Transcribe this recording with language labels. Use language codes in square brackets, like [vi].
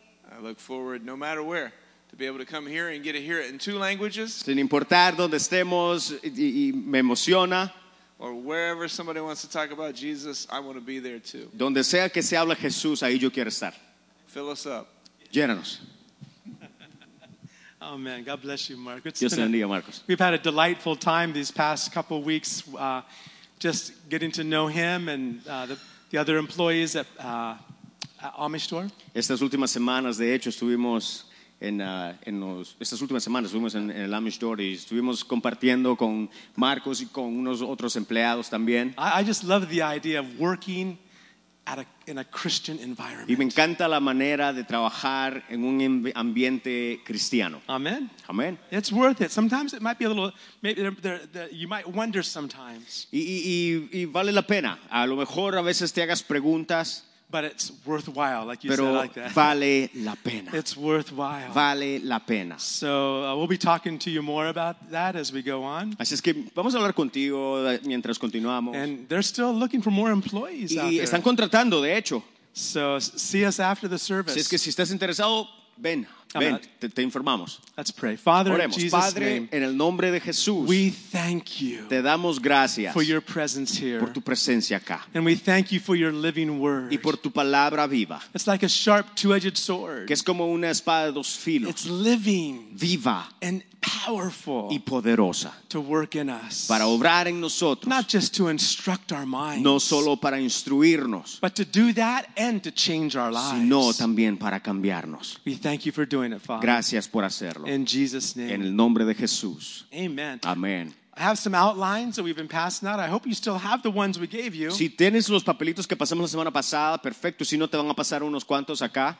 [en] I look forward, no matter where, to be able to come here and get to hear it in two languages. [es] Sin importar donde estemos, y me emociona. [en] Or wherever somebody wants to talk about Jesus, I want to be there too. [es] Donde sea que se hable Jesús, ahí yo quiero estar. [en] Fill us up. [es] Llénanos. [en] Oh man, God bless you, Mark. [es] Dios bendiga, Marcos. [en] We've had a delightful time these past couple weeks. Just getting to know him and the other employees at Amish Door. [es] Estas últimas semanas, de hecho, estuvimos en el Amish Door y estuvimos compartiendo con Marcos y con unos otros empleados también. [en] I just love the idea of working in a Christian environment. [es] Y me encanta la manera de trabajar en un ambiente cristiano. Amen. Amen. [en] It's worth it. Sometimes it might be a little, maybe they're, you might wonder sometimes. [es] Y vale la pena. A lo mejor a veces te hagas preguntas. [en] But it's worthwhile, like you [es] Pero [en] said like that. [es] Vale la pena. [en] It's worthwhile. [es] Vale la pena. [en] So we'll be talking to you more about that as we go on. [es] Así es que vamos a hablar contigo mientras continuamos. [en] And they're still looking for more employees [es] y [en] out there. [es] Y están contratando, de hecho. [en] So see us after the service. [es] Si es que si estás interesado, ven. Ven, te informamos. [en] Let's pray. Father, [es] Oremos. [en] In Jesus' [es] Padre, [en] name, [es] en el nombre de Jesús, [en] we thank you [es] te damos gracias [en] for your presence here. [es] Por tu presencia acá. [en] And we thank you for your living word. [es] Y por tu palabra viva. [en] It's like a sharp two-edged sword. [es] Que es como una espada de dos filos. [en] It's living [es] viva [en] and powerful [es] y poderosa [en] to work in us. [es] Para obrar en nosotros. [en] Not just to instruct our minds, [es] no solo para instruirnos, [en] but to do that and to change our lives. [es] Sino también para cambiarnos. [en] We thank you for doing it, Father. [es] Gracias por hacerlo. [en] In Jesus' name. [es] En el nombre de Jesús. Amen. Amen. [en] I have some outlines that we've been passing out. I hope you still have the ones we gave you. [es] Si tienes los papelitos que pasamos la semana pasada, perfecto. Si no, te van a pasar unos cuantos acá.